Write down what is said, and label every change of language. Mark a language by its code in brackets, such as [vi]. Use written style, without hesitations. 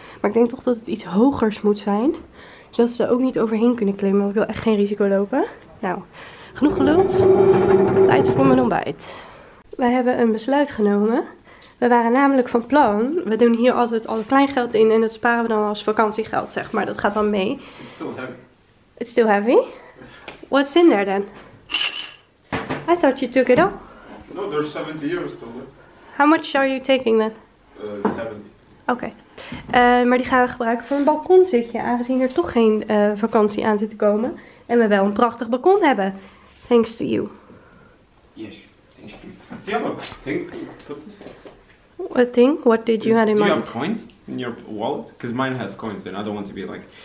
[nl] Maar ik denk toch dat het iets hogers moet zijn. Zodat ze er ook niet overheen kunnen klimmen. Want ik wil echt geen risico lopen. Nou, genoeg geluld. Tijd voor mijn ontbijt. Wij hebben een besluit genomen. We waren namelijk van plan, we doen hier altijd al het kleingeld in en dat sparen we dan als vakantiegeld, zeg maar. Dat gaat dan mee. [en] It's still heavy. It's still heavy? What's in there then? I thought you took it all. No, there's 70 euros still there. How much are you taking then? 70. [nl] Oké. Maar die gaan we gebruiken voor een balkonzitje, aangezien er toch geen vakantie aan zit te komen. En we wel een prachtig balkon hebben. [en] Thanks to you. Yes, thanks to you. Do you have a thing to put this in? A thing? What did you have in mind? Do you have coins in your wallet? Because mine has coins and I don't want to be like...